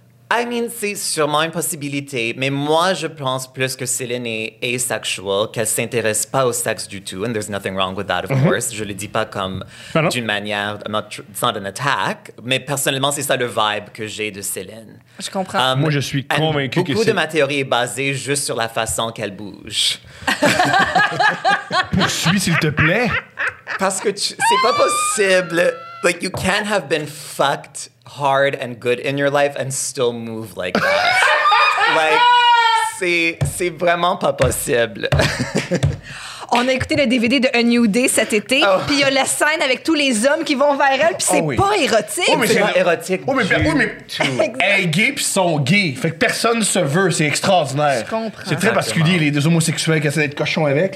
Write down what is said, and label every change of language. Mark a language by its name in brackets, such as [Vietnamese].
[French] I mean, c'est sûrement une possibilité, mais moi, je pense plus que Céline est asexuelle, qu'elle ne s'intéresse pas au sexe du tout, [English] and there's nothing wrong with that, of course. [French] Je ne le dis pas comme d'une manière, [English] it's not an attack, [French] mais personnellement, c'est ça le vibe que j'ai de Céline. Je comprends. Moi, je suis convaincu que c'est... Beaucoup de ma théorie est basée juste sur la façon qu'elle bouge. Poursuis, s'il te plaît. Parce que c'est pas possible, [English] but you can't have been fucked hard and good in your life and still move like that. [French] Like, c'est vraiment pas possible. On a écouté le DVD de A New Day cet été, puis il y a la scène avec tous les hommes qui vont vers elle, puis c'est pas érotique. Oh, mais c'est pas érotique. Oh, mais gay, puis sont gays. Fait que personne se veut, c'est extraordinaire. Je comprends. C'est très particulier, les deux homosexuels qui essaient d'être cochons avec.